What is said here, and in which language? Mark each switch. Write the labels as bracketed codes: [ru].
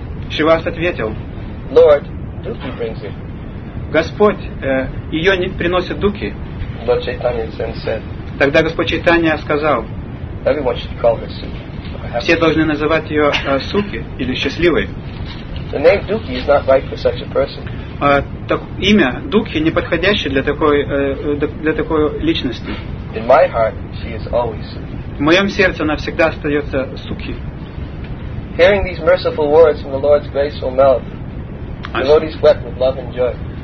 [ru] Шривас ответил. [en] Lord, Duki brings it. [ru] Господь ее не приносит Дуки. [en] Lord Chaitanya then said. [ru] Тогда Господь Чайтанья сказал. [en] Everyone should call her Suki. [ru] Все должны называть ее Суки или Счастливой. [en] The name Duki is not right for such a person. [ru] Имя Дуки не подходящее для такой личности. [en] In my heart, she is always. [ru] В моем сердце она всегда остается Суки. [en] Hearing these merciful words from the Lord's graceful mouth, the devotees wept with love and joy.